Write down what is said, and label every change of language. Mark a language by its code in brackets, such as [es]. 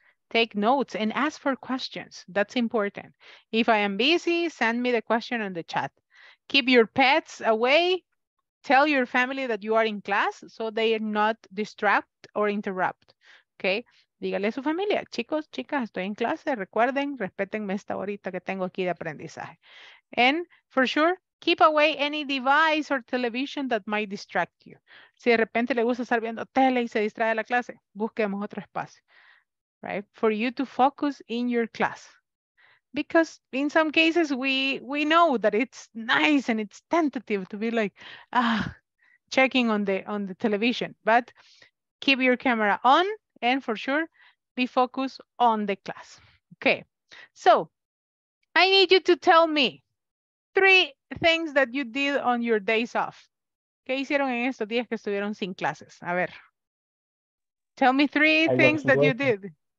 [en] Take notes and ask for questions. That's important. If I am busy, send me the question on the chat. Keep your pets away. Tell your family that you are in class so they are not distract or interrupt, okay? [es] Dígale a su familia, chicos, chicas, estoy en clase, recuerden, respétenme esta horita que tengo aquí de aprendizaje. [en] And for sure, keep away any device or television that might distract you. [es] Si de repente le gusta estar viendo tele y se distrae de la clase, busquemos otro espacio, [en] right? For you to focus in your class. Because in some cases, we know that it's nice and it's tentative to be like, checking on the television. But keep your camera on and for sure, be focused on the class. Okay, so I need you to tell me three things that you did on your days off. [es] ¿Qué hicieron en estos días que estuvieron sin clases? A ver, [en] tell me three things that you did.